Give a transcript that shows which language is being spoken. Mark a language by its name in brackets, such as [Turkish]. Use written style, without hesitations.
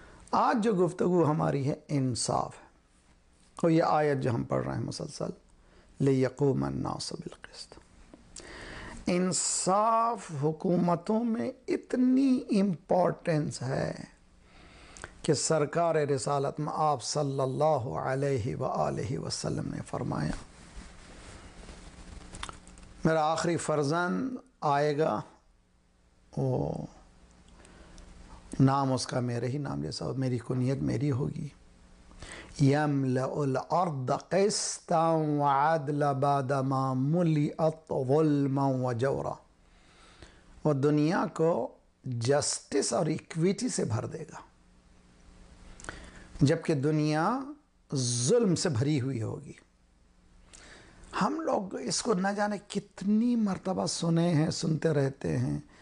[Urdu] آج جو گفتگو ہماری ہے انصاف ہے، اور یہ آیت جو ہم پڑھ رہے ہیں مسلسل، [Arabic] لیقوم الناس بالقسط، [Urdu] انصاف حکومتوں میں اتنی امپورٹنس ہے کہ سرکار رسالت میں آپ صلی اللہ علیہ وآلہ وسلم نے فرمایا، میرا آخری فرزند آئے گا، وہ نام اس کا میرے ہی نام جیسا، میری کنیت میری ہوگی، [Arabic] يملأ الأرض قسطا وعدلا بعدما ملئت ظلما وجورا. [Urdu] وہ دنیا کو جسٹس اور ایکویٹی سے بھر دے گا جبکہ دنیا ظلم سے بھری ہوئی ہوگی. ہم لوگ اس کو نہ جانے کتنی مرتبہ سنے ہیں, سنتے رہتے ہیں.